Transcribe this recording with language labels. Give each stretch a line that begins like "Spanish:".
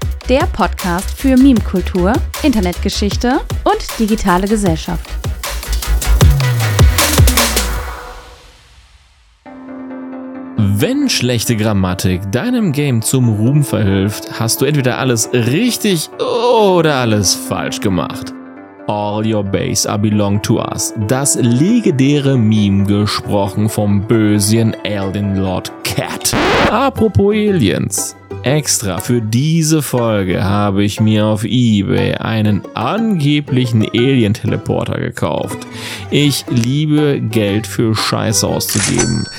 German: Der Podcast für Meme-Kultur, Internetgeschichte und digitale Gesellschaft. Wenn schlechte Grammatik deinem Game zum Ruhm verhilft, hast du entweder alles richtig oder alles falsch gemacht.
English: All your base are belong to us.
German: Das legendäre Meme, gesprochen vom bösen Alien Lord Cat. Apropos Aliens. Extra für diese Folge habe ich mir auf eBay einen angeblichen Alien-Teleporter gekauft. Ich liebe Geld für Scheiße auszugeben.